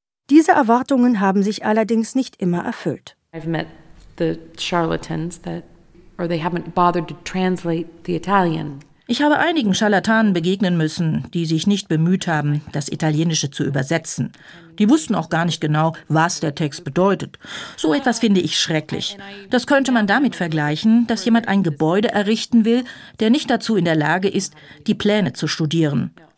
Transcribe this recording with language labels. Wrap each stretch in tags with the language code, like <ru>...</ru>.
<de>Diese Erwartungen haben sich allerdings nicht immer erfüllt.</de> <en>I've met the charlatans that, or they haven't bothered to translate the Italian.</en> <de>Ich habe einigen Scharlatanen begegnen müssen, die sich nicht bemüht haben, das Italienische zu übersetzen. Die wussten auch gar nicht genau, was der Text bedeutet. So etwas finde ich schrecklich. Das könnte man damit vergleichen, dass jemand ein Gebäude errichten will, der nicht dazu in der Lage ist, die Pläne zu studieren.</de>